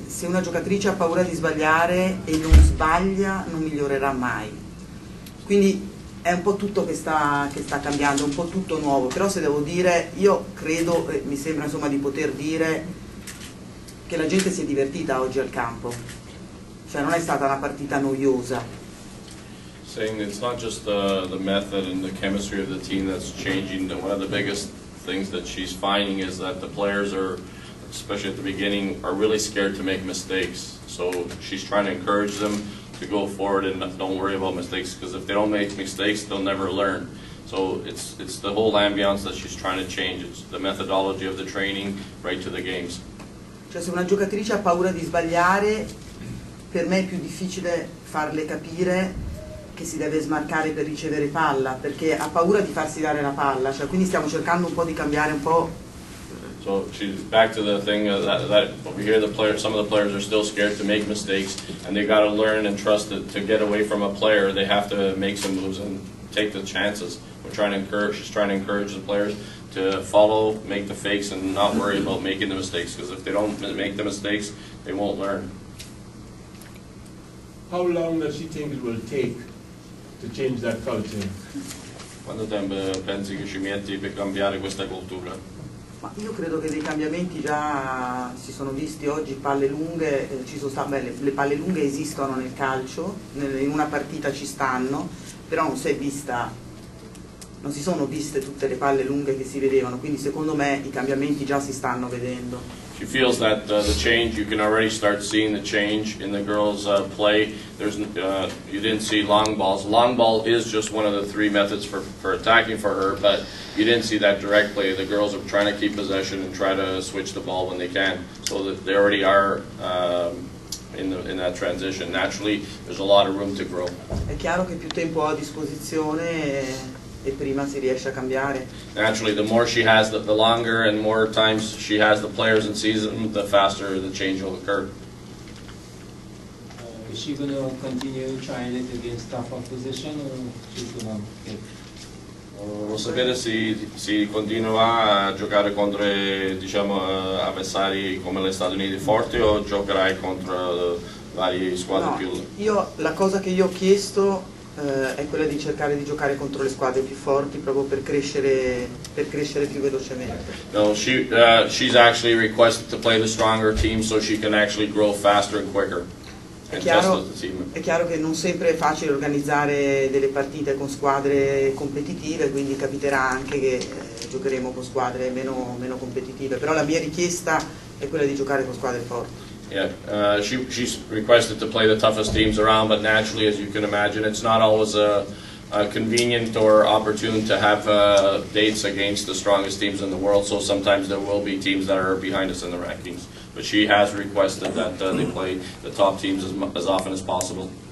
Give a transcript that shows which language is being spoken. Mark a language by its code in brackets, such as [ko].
[it] Se una giocatrice ha paura di sbagliare e non sbaglia, non migliorerà mai. Quindi è un po' tutto che sta cambiando, un po' tutto nuovo. Però se devo dire, io credo, mi sembra insomma di poter dire che la gente si è divertita oggi al campo. Cioè non è stata una partita noiosa. [en] Saying it's not just the method and the chemistry of the team that's changing. One of the biggest things that she's finding is that the players are, especially at the beginning, are really scared to make mistakes. So she's trying to encourage them to go forward and don't worry about mistakes, because if they don't make mistakes, they'll never learn. So it's the whole ambiance that she's trying to change. It's the methodology of the training right to the games. [it] Cioè, se una giocatrice ha paura di sbagliare, per me è più difficile farle capire che si deve smarcare per ricevere palla, perché ha paura di farsi dare la palla. Cioè, quindi stiamo cercando un po' di cambiare un po'. [en] So she's back to the thing that over here the players, some of the players are still scared to make mistakes, and they've got to learn and trust that to get away from a player, they have to make some moves and take the chances. She's trying to encourage the players to follow, make the fakes, and not worry about making the mistakes, because if they don't make the mistakes, they won't learn. How long does she think it will take to change that culture? [it] Quanto tempo pensi che ci metti per cambiare questa cultura? Ma io credo che dei cambiamenti già si sono visti oggi, palle lunghe, ci sono state, le palle lunghe esistono nel calcio, in una partita ci stanno, però non si è vista, non si sono viste tutte le palle lunghe che si vedevano, quindi secondo me i cambiamenti già si stanno vedendo. [en] She feels that the change, you can already start seeing the change in the girls' play. There's, you didn't see long balls. Long ball is just one of the three methods for attacking for her, but you didn't see that directly. The girls are trying to keep possession and try to switch the ball when they can. So that they already are in that transition. Naturally, there's a lot of room to grow. [it] È chiaro che più tempo ho a disposizione e prima si riesce a cambiare. [en] Naturally, the more she has, the longer and more times she has the players in season, the faster the change will occur. Is she going to continue trying it against tough opposition, or she's going to get? [it] Vuol sapere se si continua a giocare contro, diciamo, avversari come gli Stati Uniti forti, o giocherai contro varie squadre più. Io la cosa che io ho chiesto è quella di cercare di giocare contro le squadre più forti proprio per crescere più velocemente. [en] No, she's actually requested to play the stronger team so she can actually grow faster and quicker. [it] È chiaro che non sempre è facile organizzare delle partite con squadre competitive, quindi capiterà anche che giocheremo con squadre meno competitive, però la mia richiesta è quella di giocare con squadre forti. [en] Yeah, she's requested to play the toughest teams around, but naturally, as you can imagine, it's not always a convenient or opportune to have dates against the strongest teams in the world, so sometimes there will be teams that are behind us in the rankings. But she has requested that they play the top teams as often as possible.